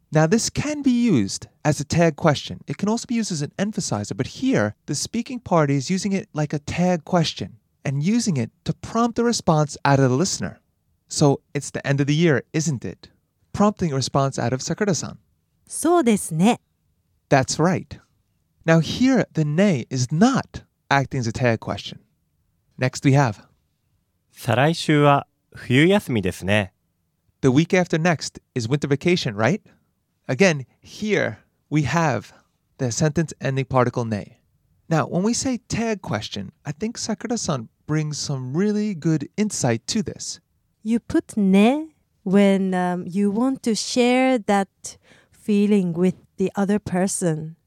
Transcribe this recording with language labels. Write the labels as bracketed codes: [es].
[en] Now, this can be used as a tag question. It can also be used as an emphasizer, but here, the speaking party is using it like a tag question and using it to prompt a response out of the listener. So, it's the end of the year, isn't it? Prompting a response out of Sakurada-san. [ja] そうですね。 [en] That's right. Now, here, the ne is not acting as a tag question. Next we have. [ja] 再来週は冬休みですね。 [en] The week after next is winter vacation, right? Again, here we have the sentence ending particle ne. Now, when we say tag question, I think Sakurada-san brings some really good insight to this. You put ne when you want to share that feeling with the other person.